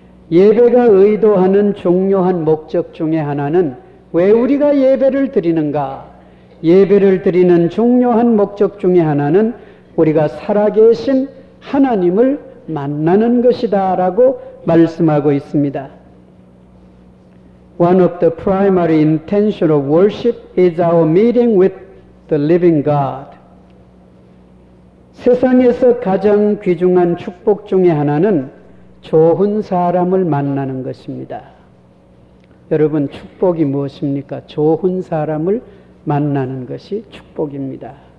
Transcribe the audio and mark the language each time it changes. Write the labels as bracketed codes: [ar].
[ko] 예배가 의도하는 중요한 목적 중에 하나는 왜 우리가 예배를 드리는가? 예배를 드리는 중요한 목적 중에 하나는 우리가 살아계신 하나님을 만나는 것이다 라고 말씀하고 있습니다. [en] One of the primary intention of worship is our meeting with the living God. [ko] 세상에서 가장 귀중한 축복 중에 하나는 좋은 사람을 만나는 것입니다. 여러분 축복이 무엇입니까? 좋은 사람을 만나는 것이 축복입니다.